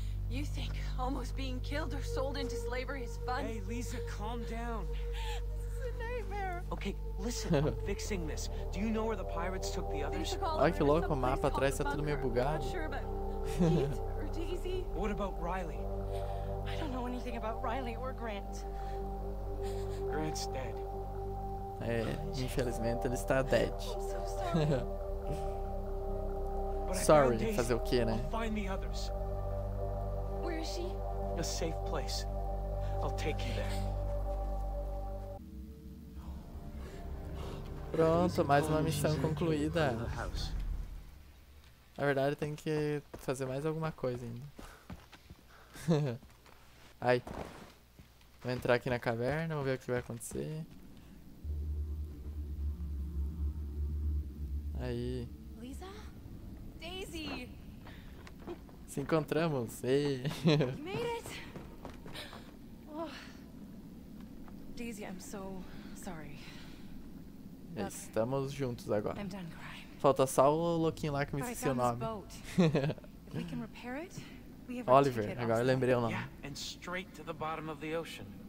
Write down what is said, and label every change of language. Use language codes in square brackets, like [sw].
[en] You think almost being killed or sold into slavery is fun? Hey, Lisa, calm down. This is a nightmare. Okay, listen, I'm fixing this. Do you know where the pirates took the others? [pt] Ai, que louco, o mapa atrás tá tudo meio bugado. [en] I'm not sure about Pete or Daisy. What about Riley? I don't know anything about Riley or Grant. Grant's dead. [pt] É, infelizmente ele está dead. [en] I'm so sorry. [pt] Sorry, fazer o quê, né? [en] I'll find the others. Where is she? A safe place. I'll take you there. [pt] Pronto, mais uma missão concluída. Na verdade, tem que fazer mais alguma coisa ainda. Ai. Vou entrar aqui na caverna, vou ver o que vai acontecer. Aí. [en] Lisa? Daisy! [pt] Se encontramos, ei! [en] You made it! Oh. Daisy, I'm so sorry. [pt] Estamos juntos agora. [en] I'm done crying. [pt] Falta só o louquinho lá que me esqueci o nome. [en] If we can repair it, we have [pt] Oliver, agora eu lembrei o nome. [en] Yeah, and straight to the bottom of the ocean.